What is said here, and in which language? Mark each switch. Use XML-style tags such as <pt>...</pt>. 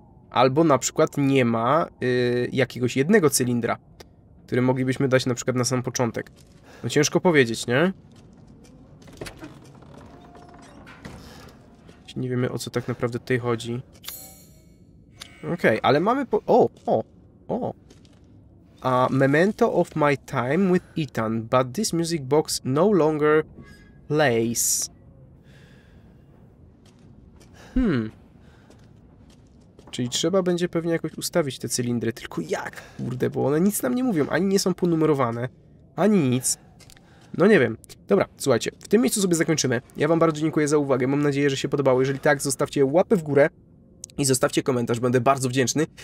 <pl>Albo na przykład nie ma jakiegoś jednego cylindra, który moglibyśmy dać na przykład na sam początek. No ciężko powiedzieć, nie? Nie wiemy, o co tak naprawdę tutaj chodzi. Okej, ale mamy po... O!</pl> <en>A memento of my time with Ethan, but this music box no longer plays.</en> <pl>Czyli trzeba będzie pewnie jakoś ustawić te cylindry, tylko jak? Kurde, bo one nic nam nie mówią, ani nie są ponumerowane, ani nic. No nie wiem. Dobra, słuchajcie, w tym miejscu sobie zakończymy. Ja wam bardzo dziękuję za uwagę, mam nadzieję, że się podobało. Jeżeli tak, zostawcie łapę w górę i zostawcie komentarz, będę bardzo wdzięczny.</pl>